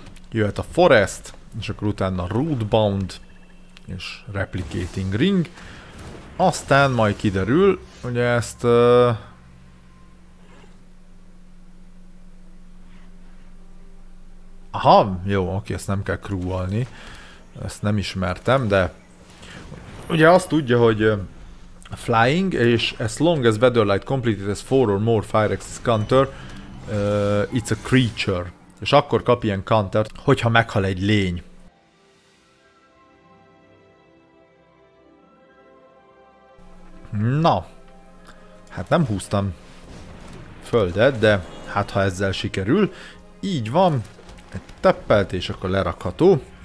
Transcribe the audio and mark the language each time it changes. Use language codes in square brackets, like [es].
[hu] Jöhet a Forest, és akkor utána Rootbound, és Replicating Ring. Aztán majd kiderül, hogy ezt... Aha, jó, oké, ezt nem kell crewolni. Ezt nem ismertem, de... Ugye azt tudja, hogy... [en] Flying, és as long as Weatherlight completed as 4 or more Fire Axis counter, it's a creature. [hu] És akkor kap ilyen countert, hogyha meghal egy lény. Na. Hát nem húztam földet, de hát ha ezzel sikerül. Így van, egy teppelt, és akkor lerakható.